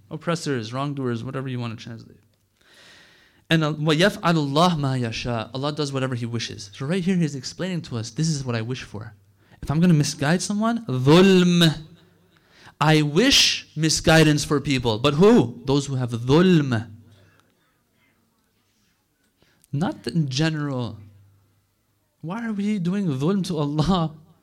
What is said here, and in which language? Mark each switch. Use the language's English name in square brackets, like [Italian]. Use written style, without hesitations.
[English] Oppressors, wrongdoers, whatever you want to translate. And [Arabic] وَيَفْعَلُ اللَّهُ مَا يَشَاءُ. [English] Allah does whatever He wishes. So right here He's explaining to us, this is what I wish for. If I'm going to misguide someone, ظُلْم. I wish misguidance for people. But who? Those who have ظُلْم. Not in general. Why are we doing ظُلْم to Allah?